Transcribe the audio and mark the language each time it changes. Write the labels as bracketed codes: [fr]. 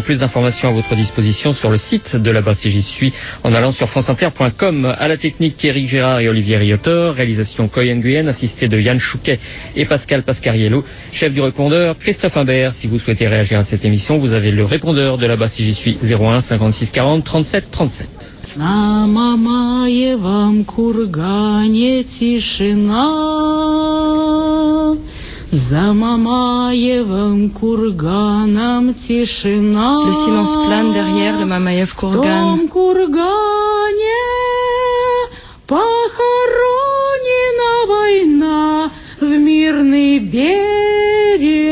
[fr] Plus d'informations à votre disposition sur le site de là-bas si j'y suis en allant sur franceinter.com. À la technique, Éric Gérard et Olivier Riotor. Réalisation Coy Nguyen, assisté de Yann Chouquet et Pascal Pascariello. Chef du répondeur, Christophe Imbert. Si vous souhaitez réagir à cette émission, vous avez le répondeur de là-bas si j'y suis, 01 56 40 37 37. [ru] На Мамаевом кургане тишина, за Мамаевом курганом тишина. [fr] Le silence plane derrière le Mamaïev kurgan. [ru] В том кургане похоронена война в мирный берег.